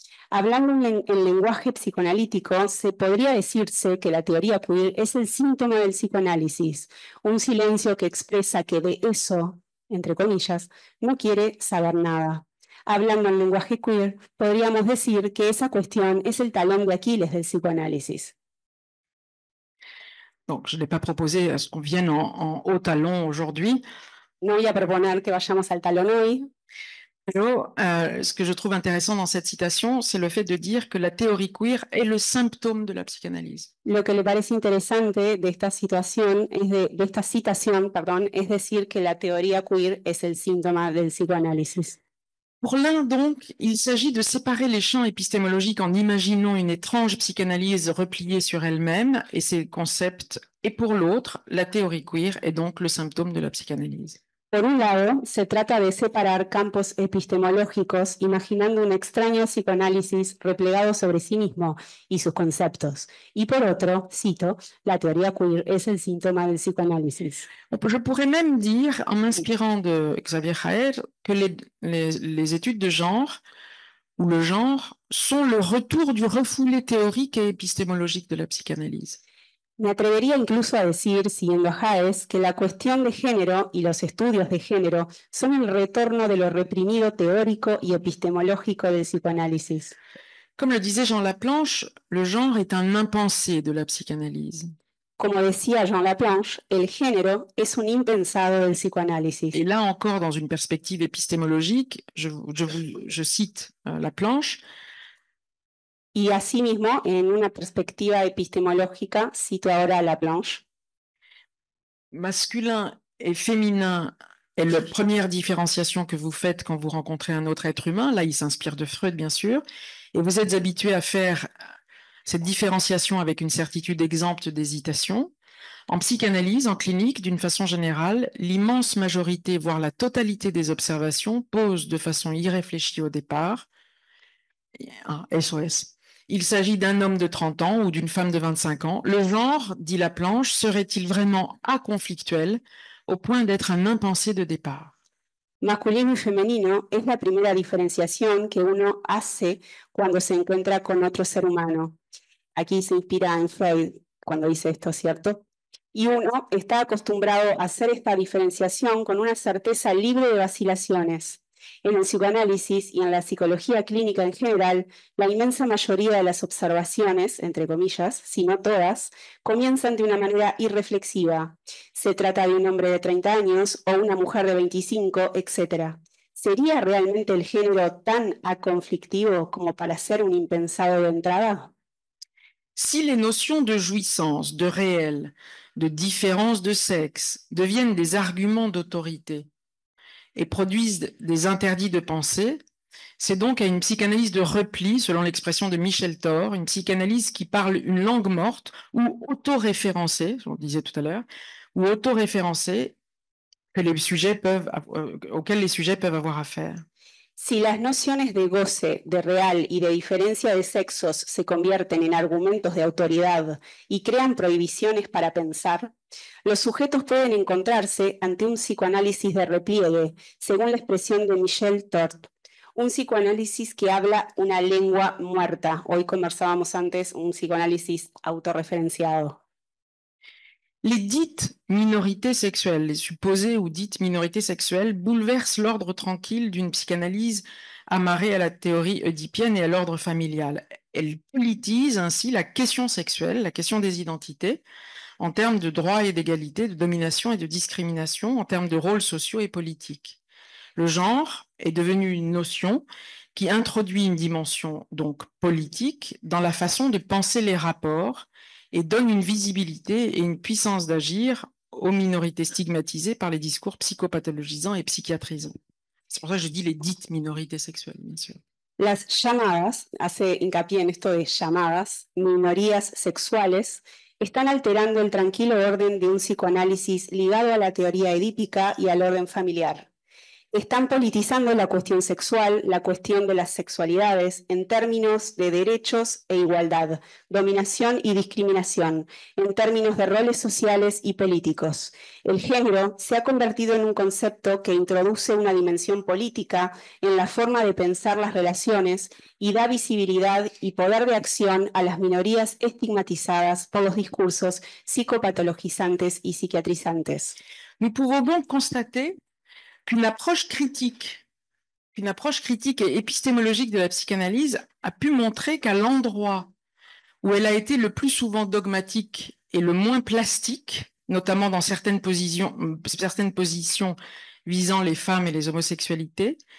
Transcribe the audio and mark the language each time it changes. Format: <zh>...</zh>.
<es>Hablando en lenguaje psicoanalítico, se podría decirse que la teoría queer es el síntoma del psicoanálisis, un silencio que expresa que de eso, entre comillas, no quiere saber nada. Hablando en lenguaje queer, podríamos decir que esa cuestión es el talón de Aquiles del psicoanálisis.</es> <fr>Donc, je n'ai pas proposé à ce qu'on vienne en haut talon aujourd'hui.</fr> <es>No voy a proponer que vayamos al talón hoy.</es> <fr>Ce que je trouve intéressant dans cette citation, c'est le fait de dire que la théorie queer est le symptôme de la psychanalyse.</fr> <es>Lo que le parece interesante de esta situación es de esta citación, perdón, es decir que la teoría queer es el síntoma del psicoanálisis.</es> <fr>Pour l'un, donc, il s'agit de séparer les champs épistémologiques en imaginant une étrange psychanalyse repliée sur elle-même et ses concepts. Et pour l'autre, la théorie queer est donc le symptôme de la psychanalyse.</fr> <es>Por un lado, se trata de separar campos epistemológicos imaginando un extraño psicoanálisis replegado sobre sí mismo y sus conceptos. Y por otro, cito, la teoría queer es el síntoma del psicoanálisis.</es> <fr>Je pourrais même dire, en m'inspirant de Xavier Haer, que les études de genre ou le genre sont le retour du refoulé théorique et épistémologique de la psychanalyse.</fr> <es>Me atrevería incluso a decir, siguiendo a Haes, que la cuestión de género y los estudios de género son el retorno de lo reprimido teórico y epistemológico del psicoanálisis.</es> <fr>Comme le disait Jean Laplanche, le genre est un impensé de la psychanalyse.</fr> <es>Como decía Jean Laplanche, el género es un impensado del psicoanálisis.</es> <fr>Et là encore, dans une perspective épistémologique, je cite Laplanche.</fr> <es>Y asimismo, en una perspectiva epistemológica, cito ahora a Laplanche.</es> <fr>Masculin et féminin est la première différenciation que vous faites quand vous rencontrez un autre être humain. Là, il s'inspire de Freud, bien sûr. Et vous êtes habitué à faire cette différenciation avec une certitude exempte d'hésitation. En psychanalyse, en clinique, d'une façon générale, l'immense majorité, voire la totalité des observations, pose de façon irréfléchie au départ SOS. Il s'agit d'un homme de 30 ans ou d'une femme de 25 ans. Le genre, dit Laplanche, serait-il vraiment aconflictuel au point d'être un impensé de départ?</fr> <es>Masculino y femenino es la primera diferenciación que uno hace cuando se encuentra con otro ser humano. Aquí se inspira en Freud cuando dice esto, ¿cierto? Y uno está acostumbrado a hacer esta diferenciación con una certeza libre de vacilaciones. En el psicoanálisis y en la psicología clínica en general, la inmensa mayoría de las observaciones, entre comillas, si no todas, comienzan de una manera irreflexiva. Se trata de un hombre de 30 años o una mujer de 25, etc. ¿Sería realmente el género tan aconflictivo como para ser un impensado de entrada?</es> <fr>Si les notions de jouissance, de réel, de différence de sexe deviennent des arguments d'autorité et produisent des interdits de pensée, c'est donc à une psychanalyse de repli, selon l'expression de Michel Thor, une psychanalyse qui parle une langue morte ou autoréférencée, on le disait tout à l'heure, ou autoréférencée que les sujets peuvent, auxquels les sujets peuvent avoir affaire.</fr> <es>Si las nociones de goce, de real y de diferencia de sexos se convierten en argumentos de autoridad y crean prohibiciones para pensar, los sujetos pueden encontrarse ante un psicoanálisis de repliegue, según la expresión de Michel Tort, un psicoanálisis que habla una lengua muerta. Hoy conversábamos antes un psicoanálisis autorreferenciado.</es> <fr>Les dites minorités sexuelles, les supposées ou dites minorités sexuelles, bouleversent l'ordre tranquille d'une psychanalyse amarrée à la théorie œdipienne et à l'ordre familial. Elles politisent ainsi la question sexuelle, la question des identités, en termes de droits et d'égalité, de domination et de discrimination, en termes de rôles sociaux et politiques. Le genre est devenu une notion qui introduit une dimension donc politique dans la façon de penser les rapports et donne une visibilité et une puissance d'agir aux minorités stigmatisées par les discours psychopathologisants et psychiatrisants. C'est pour ça que je dis les dites minorités sexuelles, bien sûr.</fr> <es>Las llamadas, hace hincapié en esto de llamadas, minorías sexuales, están alterando el tranquilo orden de un psicoanálisis ligado a la teoría edípica y al orden familiar. Están politizando la cuestión sexual, la cuestión de las sexualidades, en términos de derechos e igualdad, dominación y discriminación, en términos de roles sociales y políticos. El género se ha convertido en un concepto que introduce una dimensión política en la forma de pensar las relaciones y da visibilidad y poder de acción a las minorías estigmatizadas por los discursos psicopatologizantes y psiquiatrizantes.</es> <fr>Nous pouvons donc constater qu'une approche critique et épistémologique de la psychanalyse a pu montrer qu'à l'endroit où elle a été le plus souvent dogmatique et le moins plastique, notamment dans certaines positions visant les femmes et les homosexualités,</fr>